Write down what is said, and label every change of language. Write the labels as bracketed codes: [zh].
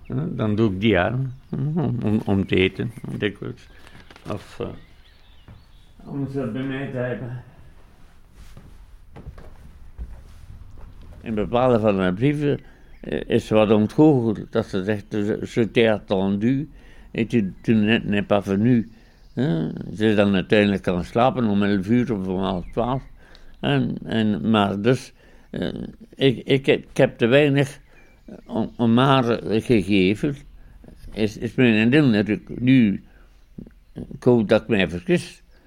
[nl] Dan doe ik die aan om te eten, dikwijls. Of om ze bij mij te hebben. In bepaalde van mijn brieven is ze wat ontgoocheld. Dat ze zegt, [fr] ze t'ai attendu, et tu n'es pas venu. [nl] Ze is dan uiteindelijk gaan slapen om 11 uur of om 11:30. Maar dus, ik heb te weinig om haar gegeven. Is mijn vriendin natuurlijk nu, ik hoop dat ik mij vergis.